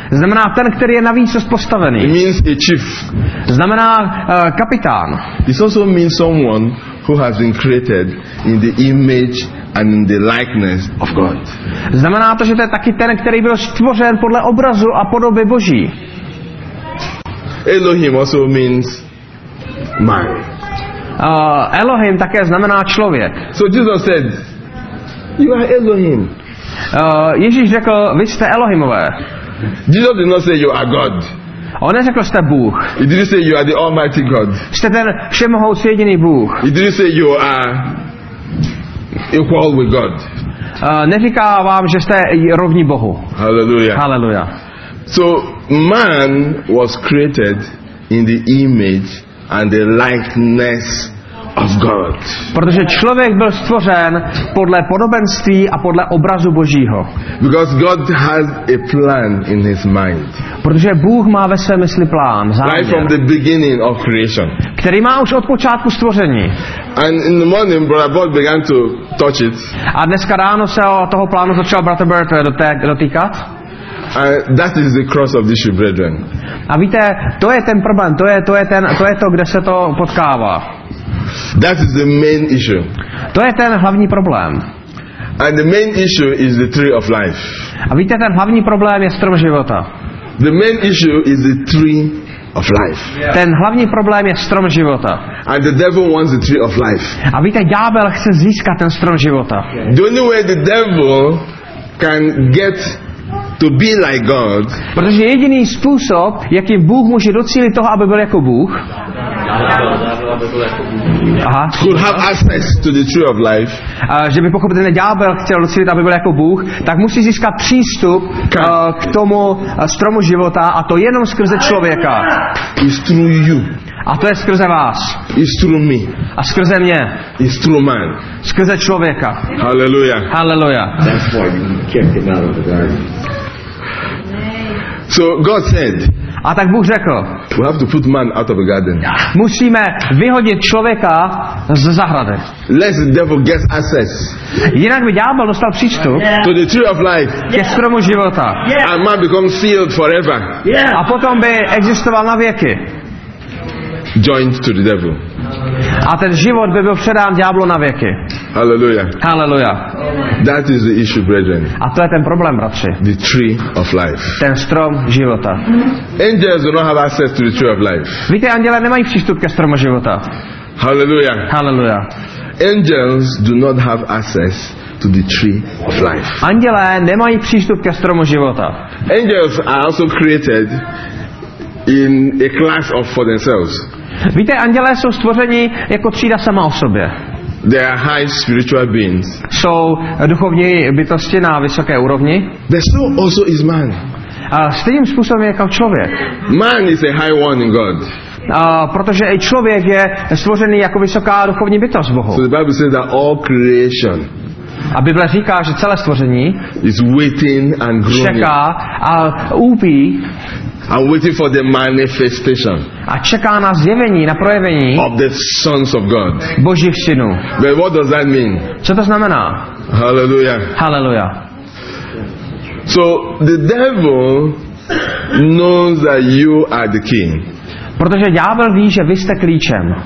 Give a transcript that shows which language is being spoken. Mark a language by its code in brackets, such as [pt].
[cs] Znamená ten, který je navýsost postavený. [en] It means a chief. [cs] Znamená kapitán. [en] It also means someone who has been created in the image and in the likeness of God. [cs] Znamená to, že to je taky ten, který byl stvořen podle obrazu a podoby Boží. [en] Elohim also means man. [cs] Elohim také znamená člověk. [en] So Jesus said, you are Elohim. [cs] Ježíš řekl, vy jste Elohimové. [en] Jesus did not say you are God. [cs] On neřekl, jste Bůh. [en] He didn't say you are the Almighty God. [cs] Jste ten všemohoucí jediný Bůh. [en] He didn't say you are equal with God. [cs] Neříká vám, že jste rovní Bohu. [en] Hallelujah. [cs] Hallelujah. [en] So man was created in the image and the likeness of God. [cs] Protože člověk byl stvořen podle podobenství a podle obrazu Božího. [en] Because God has a plan in his mind. [cs] Protože Bůh má ve své mysli plán, záměr. [en] Right from the beginning of creation. [cs] Který má už od počátku stvoření. [en] And in the morning Brother Bob began to touch it. [cs] A dneska ráno se o toho plánu začal Brother Bert dotýkat. [en] That is the cross of the issue, brethren. [cs] A víte, to je ten problém, to je to, kde se to potkává. [en] That is the main issue. [cs] To je ten hlavní problém. [en] And the main issue is the tree of life. [cs] A víte, ten hlavní problém je strom života. [en] The main issue is the tree of life. Yeah. [cs] Ten hlavní problém je strom života. [en] And the devil wants the tree of life. [cs] A víte, ďábel chce získat ten strom života. [en] Yeah. The only way the devil can get to be like God. [cs] Protože jediný způsob, jakým Bůh může docílit toho, aby byl jako Bůh. [en] Could have access to the tree of life. [cs] Že by pochopitelně ďábel chtěl docílit, aby byl jako Bůh, tak musí získat přístup k tomu stromu života, a to jenom skrze člověka. [en] It's through you. [cs] A to je skrze vás. [en] It's through me. [cs] A skrze mě. [en] It's through man. [cs] Skrze člověka. [en] Hallelujah. [cs] Hallelujah. [en] That's why you kept him out of the garden. So God said. [cs] A tak Bůh řekl. [en] We have to put man out of the garden. [cs] Musíme vyhodit člověka z zahrady. [en] Lest the devil gets access. [cs] Jinak by ďábel dostal přístup. [en] To the tree of life. [cs] Ke stromu života. [en] And man becomes sealed forever. [cs] A potom by existoval na věky. [en] Joined to the devil. [cs] A ten život by byl předán ďáblu na věky. [en] Hallelujah. [cs] Hallelujah. [en] That is the issue, brethren. [cs] A to je ten problém, bratři. [en] The tree of life. [cs] Ten strom života. [en] Angels do not have access to the tree of life. [cs] Víte, anděle nemají přístup ke stromu života. [en] Hallelujah. [cs] Hallelujah. [en] Angels do not have access to the tree of life. [cs] Anděle nemají přístup ke stromu života. [en] Angels are also created in a class of for themselves. [cs] Víte, andělé jsou stvoření jako třída sama o sobě. [en] They are high spiritual beings. [cs] Jsou duchovní bytosti na vysoké úrovni. [en] The soul also is man. [cs] A stejným způsobem je jako člověk. [en] Man is a high one in God. [cs] Protože i člověk je stvořený jako vysoká duchovní bytost Bohu. [en] So the Bible says that all creation. [cs] A Bible říká, že celé stvoření [en] is waiting and groaning. [cs] Čeká a úpí. [en] And waiting for the manifestation. [cs] A čeká na zjevení, na projevení [en] of the sons of God. [cs] Božích synů. [en] But what does that mean? [cs] Co to znamená? [en] Hallelujah. [cs] Hallelujah. [en] So the devil knows that you are the king. [cs] Protože ďábel ví, že vy jste klíčem.